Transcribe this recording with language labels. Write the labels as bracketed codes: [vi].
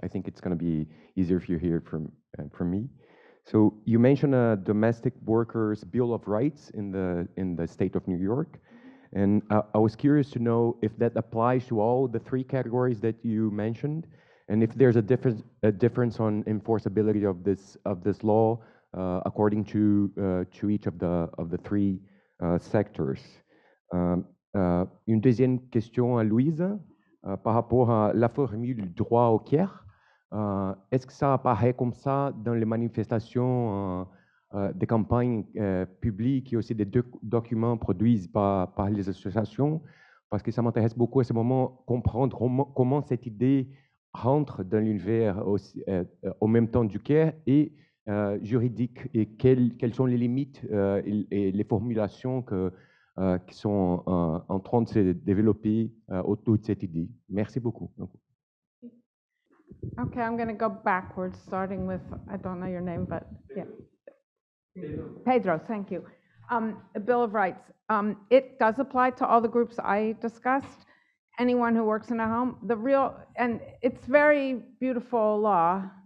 [en] I think it's going to be easier if you hear from me. So, you mentioned a domestic workers' bill of rights in the state of New York. And I was curious to know if that applies to all the three categories that you mentioned, and if there's a difference on enforceability of this law according to each of the three sectors. [fr] Une deuxième question à Louise par rapport à la formule du droit au care. Est-ce que ça apparaît comme ça dans les manifestations des campagnes publiques et aussi des documents produits par les associations? Parce que ça m'intéresse beaucoup à ce moment comprendre comment cette idée rentre dans l'univers aussi, au même temps du care et juridique et quelles sont les limites et les formulations qui sont en train de se développer autour de cette idée. Merci beaucoup. [en] Okay, I'm going to go backwards, starting with, I don't know your name, but yeah. Pedro, thank you. A Bill of Rights. It does apply to all the groups I discussed. Anyone who works in a home, and it's very beautiful law.